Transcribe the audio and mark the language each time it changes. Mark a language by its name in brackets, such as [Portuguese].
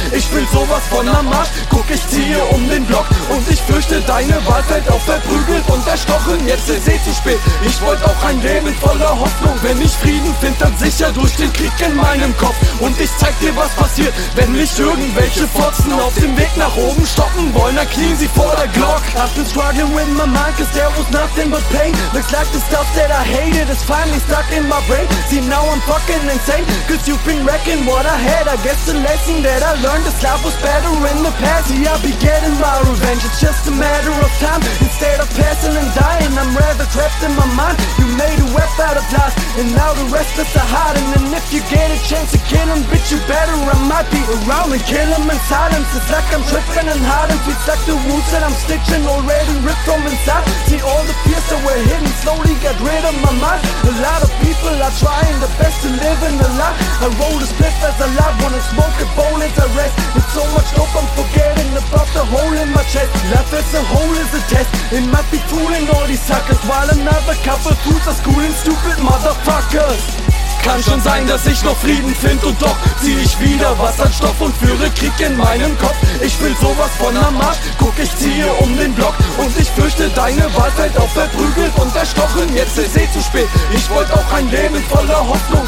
[German] Ich will sowas von am Arsch, guck, ich ziehe um den Block und ich fürchte, deine Wahl fällt auf der Brücke. Prügelt und erstochen, jetzt ist eh zu spät. Ich wollte auch ein Leben voller Hoffnung. Wenn ich Frieden find, dann sicher durch den Krieg in meinem Kopf. Und ich zeig dir, was passiert, wenn mich irgendwelche Fotzen auf dem Weg nach oben stoppen wollen, dann knien sie vor der Glock. [English] I've been struggling with my mind, cause there was nothing but pain. Looks like the stuff that I hated is finally stuck in my brain. See, now I'm fucking insane, cause you've been wrecking what I had. I guess the lesson that I learned is life was better in the past. See, I'll be getting my revenge, it's just a matter of time. Instead of passing and dying, I'm rather trapped in my mind. You made a web out of lies, and now the rest is a hiding. And if you get a chance to kill him, bitch, you better. I might be around and kill him in silence. It's like I'm tripping and hiding. Feels like the wounds that I'm stitching already ripped from inside. See all the fears that were hidden, slowly got rid of my mind. A lot of people are trying their best to live in the lie. I roll a spliff as I lie, wanna smoke a bowl as I rest. It's so much dope, I'm forgetting about the hole in my chest. Life as a whole is a test. It might be fooling all these suckers, while another couple fools are schooling stupid motherfuckers. [German] Kann schon sein, dass ich noch Frieden find und doch zieh ich wieder was an Stoff und führe Krieg in meinem Kopf. Ich will sowas von am Arsch, guck, ich ziehe um den Block und ich fürchte, deine Wahl fällt auf verprügelt und erstochen. Jetzt ist eh zu spät, ich wollt auch ein Leben voller Hoffnung.